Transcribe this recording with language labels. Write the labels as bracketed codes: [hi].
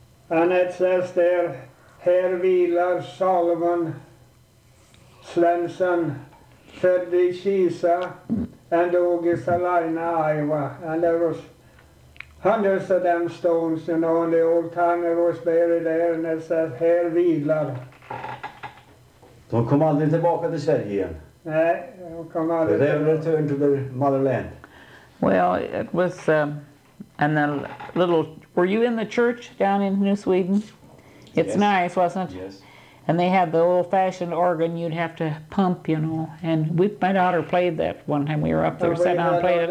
[en] And it says there, Herr Vilar Solomon Svensson. And Ogisalina, Iowa, and there was hundreds of them stones, you know, in the old time it was buried there, and it says, Herr Vidlar. [sv] De kom aldrig tillbaka till Sverige igen. Nej, de kom aldrig. [en] They never returned to their motherland. Well, it was, and the little, were you in the church down in New Sweden? It's nice, wasn't it? Yes. And they had the old-fashioned organ you'd have to pump, you know. And my daughter played that one time we were up there, sat down and played it.